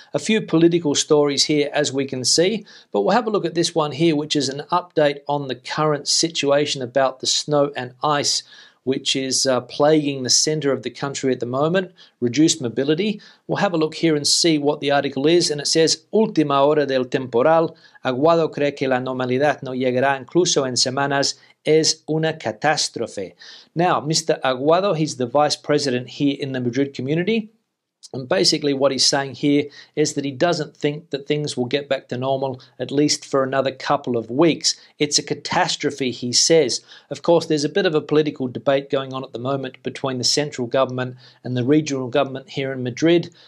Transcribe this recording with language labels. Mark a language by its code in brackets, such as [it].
[en] A few political stories here, as we can see. But we'll have a look at this one here, which is an update on the current situation about the snow and ice, which is plaguing the center of the country at the moment, reduced mobility. We'll have a look here and see what the article is. And it says, [es] Última hora del temporal. Aguado cree que la normalidad no llegará incluso en semanas. Es una catástrofe. [en] Now, Mr. Aguado, he's the vice president here in the Madrid community. And basically what he's saying here is that he doesn't think that things will get back to normal, at least for another couple of weeks. It's a catastrophe, he says. Of course, there's a bit of a political debate going on at the moment between the central government and the regional government here in Madrid.